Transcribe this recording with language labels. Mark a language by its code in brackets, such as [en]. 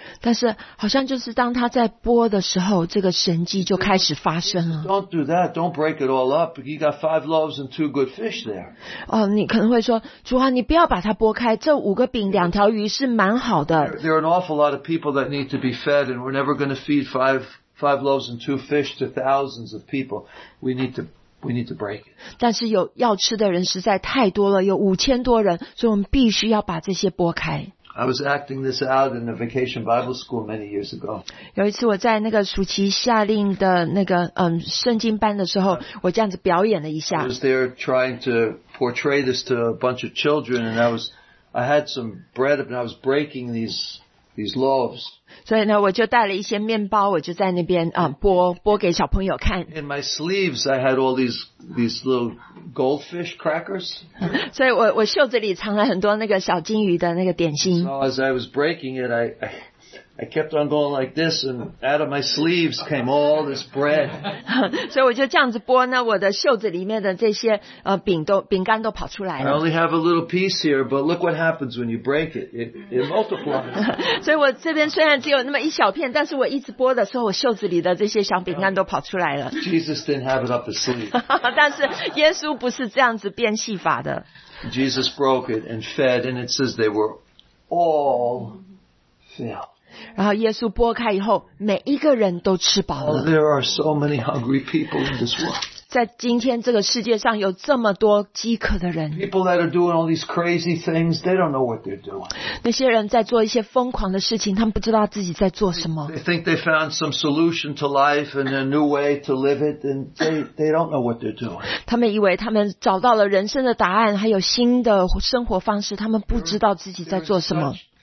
[zh] 但是好像就是当他在播的时候，这个神迹就开始发生了。 [en] Don't do that. Don't break it all up. You got five loaves and two good fish there. [zh] 哦，你可能会说，主啊，你不要把它拨开。这五个饼，两条鱼是蛮好的。 [en] There are an awful lot of people that need to be fed, and we're never going to feed five loaves and two fish to thousands of people. We need to break it. [zh] 但是有要吃的人实在太多了，有五千多人，所以我们必须要把这些拨开。 [en] I was acting this out in a vacation Bible school many years ago. [zh] 有一次我在那个暑期夏令的那个圣经班的时候，我这样子表演了一下。 [en] I was there trying to portray this to a bunch of children, and I had some bread, and I was breaking these loaves. [zh] 所以呢，我就带了一些面包，我就在那边剥给小朋友看。 [en] In my sleeves, I had all these little goldfish crackers. [zh] 所以我袖子里藏了很多那个小金鱼的那个点心。 [en] So as I was breaking it, I kept on going like this, and out of my sleeves came all this bread. [zh] 所以我就这样子剥，那我的袖子里面的这些饼干都跑出来了。 [en] I only have a little piece here, but look what happens when you break it. It multiplies. [zh] 所以我这边虽然只有那么一小片，但是我一直剥的时候，我袖子里的这些小饼干都跑出来了。 [en] Jesus didn't have it up his sleeve. [zh] 但是耶稣不是这样子变戏法的。 [en] Jesus broke it and fed, and it says they were all filled. [zh] 然后耶稣拨开以后，每一个人都吃饱了。 [en] There are so many hungry people in this world. [zh] 在今天这个世界上有这么多饥渴的人。 [en] People that are doing all these crazy things, they don't know what they're doing. [zh] 那些人在做一些疯狂的事情，他们不知道自己在做什么。 [en] They think they found some solution to life and a new way to live it, and they don't know what they're doing. [zh] 他们以为他们找到了人生的答案，还有新的生活方式，他们不知道自己在做什么。